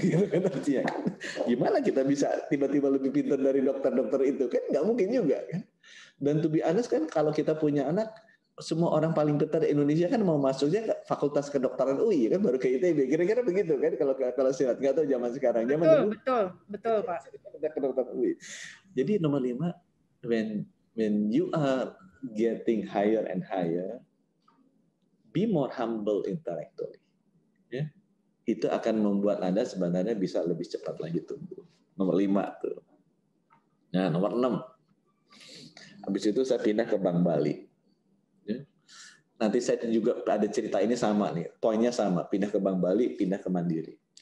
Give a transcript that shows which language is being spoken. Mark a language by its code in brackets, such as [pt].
[id] Gimana kita bisa tiba-tiba lebih pintar dari dokter-dokter itu? Kan nggak mungkin juga. Kan? Dan [en] to be honest [id] kan, kalau kita punya anak, semua orang paling pintar di Indonesia kan mau masuknya ke Fakultas Kedokteran UI kan, baru ke ITB. Kira-kira begitu kan kalau silat. Nggak tahu zaman sekarang. Betul, zaman dulu, betul Pak. Kedokteran UI. Jadi nomor 5, [en] when you are getting higher and higher, be more humble intellectually. [id] Ya, itu akan membuat Anda sebenarnya bisa lebih cepat lagi tumbuh. Nomor 5 tuh. Nah, nomor 6. Habis itu saya pindah ke Bank Bali. Ya. Nanti saya juga ada cerita ini sama nih. Poinnya sama, pindah ke Bank Bali, pindah ke Mandiri.